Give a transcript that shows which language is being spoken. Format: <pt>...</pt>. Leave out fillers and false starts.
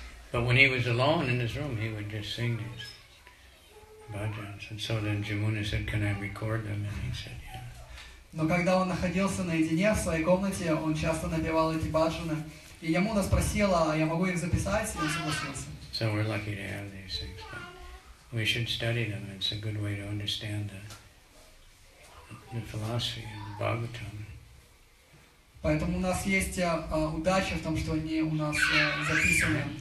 <en>But when he was alone in his room, he would just sing these bhajans. And so then Jamuna said, can I record them? And he said,</en> <ru>но когда он находился наедине в своей комнате, он часто напевал эти баджаны. И Ямуна спросила, а я могу их записать? И он согласился.</ru> <en>So we're lucky to have these things, but we should study them. It's a good way to understand the philosophy of the Bhagavatam.</en> <ru>Поэтому у нас есть удача в том, что они у нас записаны.</ru>